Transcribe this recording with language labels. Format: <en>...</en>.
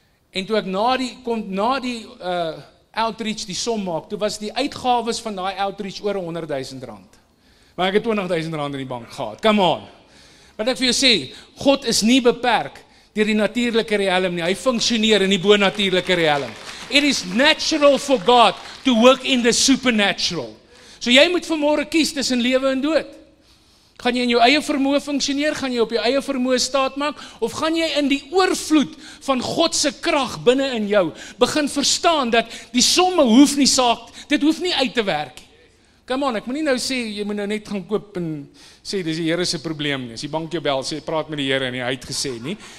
<af>En toe ek na die outreach die som maak, toe was die uitgawes van daai outreach oor R100,000. Maar ek het R20,000 in die bank gehad. Come on. Wat ek vir jou sê, God is nie beperk deur die natuurlike riekem nie. Hy funksioneer in die bonatuurlike riekem.</af> <en>It is natural for God to work in the supernatural.</en> <af>So jy moet vanmôre kies tussen lewe en dood. Gaan jy in jou eie vermoë funksioneer? Gaan jy op jou eie vermoë staatmaak? Of gaan jy in die oorvloed van God se krag binne in jou begin verstaan dat die somme hoef nie saak, dit hoef nie uit te werk. Come on, ek moet nie nou sê, jy moet nou net gaan koop en sê, dis die Here se probleem nie. As die bank jou bel, sê, praat met die Here en hy het gesê nie.</af>